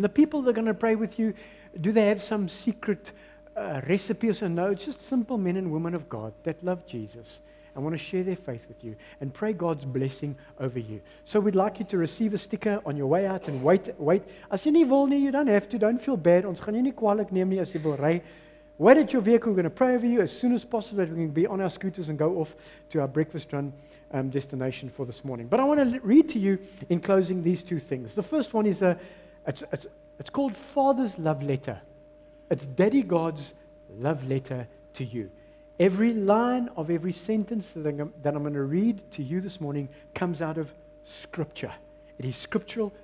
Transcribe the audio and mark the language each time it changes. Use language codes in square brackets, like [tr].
[en] The people that are going to pray with you, do they have some secret recipe or something? No, it's just simple men and women of God that love Jesus. I want to share their faith with you and pray God's blessing over you. So we'd like you to receive a sticker on your way out and wait. [af] As jy nie wil nie, [en] you don't have to. Don't feel bad. [af] Ons gaan jy nie kwalik neem nie as jy wil ry. [en] Wait at your vehicle. We're going to pray over you as soon as possible that we can be on our scooters and go off to our breakfast run destination for this morning. But I want to read to you in closing these two things. The first one is it's called Father's Love Letter. It's Daddy God's love letter to you. Every line of every sentence that I'm going to read to you this morning comes out of Scripture. It is scriptural.